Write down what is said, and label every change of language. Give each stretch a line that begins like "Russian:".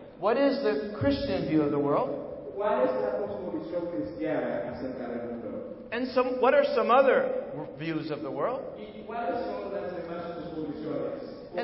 English: What is the Christian view of the world?
Spanish: ¿Cuál es la cosmovisión cristiana acerca del mundo?
English: And some, what are some other views of the world?
Spanish: ¿Y cuáles son las demás cosmovisiones?